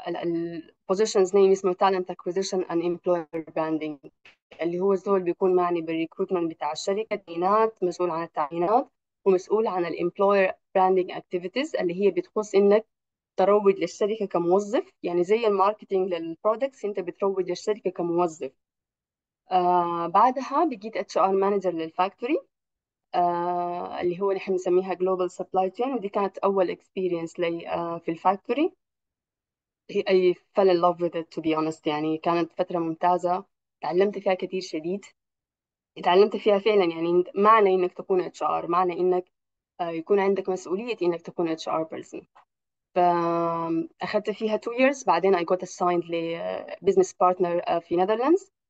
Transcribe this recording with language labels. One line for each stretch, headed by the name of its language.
Arabic: البوزيشنز نيم اسمه تالنت اكويزيشن اند امبلوير براندنج، اللي هو الزول بيكون معني بالريكروتمنت بتاع الشركة، تعيينات، مسؤول عن التعيينات، ومسؤول عن الـ employer branding activities اللي هي بتخص إنك تروج للشركة كموظف، يعني زي الماركتينج للبرودكتس أنت بتروج للشركة كموظف. بعدها بقيت HR manager للفاكتوري، اللي هو اللي احنا بنسميها global supply chain، ودي كانت أول experience لي في الفاكتوري.
English: I fell in love with it to be honest.
Arabic: يعني كانت فترة ممتازة، تعلمت فيها كثير شديد، تعلمت فيها فعلا يعني معنى إنك تكون اتش ار، معنى إنك يكون عندك مسؤولية إنك تكون اتش ار بيرسون. فأخذت فيها 2 years، بعدين
English: I got assigned
Arabic: ل business partner في Netherlands.